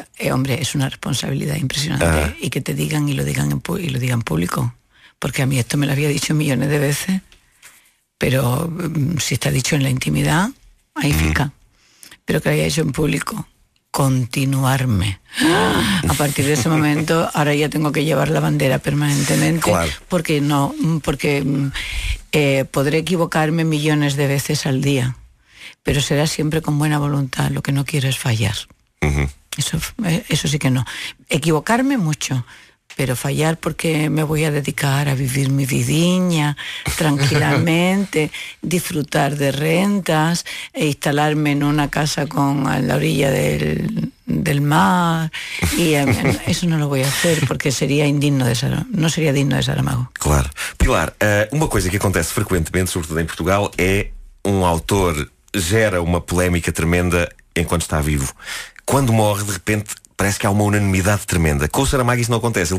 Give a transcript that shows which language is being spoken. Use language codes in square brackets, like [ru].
[pt] Hombre, é uma responsabilidade impressionante. E que te digam e [es] lo digan público. Porque a mí esto me lo había dicho millones de veces. Pero si está dicho en la intimidad, ahí [pt] fica. [es] Pero que lo haya hecho en público. Continuarme. A partir de ese momento, ahora ya tengo que llevar la bandera permanentemente. Claro. Porque no, porque podré equivocarme millones de veces al día. Pero será siempre con buena voluntad. Lo que no quiero es fallar. Uh-huh. Eso sí que no. Equivocarme mucho. Pero fallar porque me voy a dedicar a vivir mi vidiña tranquilamente, disfrutar de rentas e instalarme en una casa con en la orilla del mar. Y eso no lo voy a hacer porque sería indigno de Saramago. No sería digno de Saramago. Claro. [pt] Pilar, uma coisa que acontece frequentemente, sobretudo em Portugal, é um autor gera uma polémica tremenda enquanto está vivo. Quando morre, de repente... parece que há uma unanimidade tremenda. Com o Saramago isso não acontece.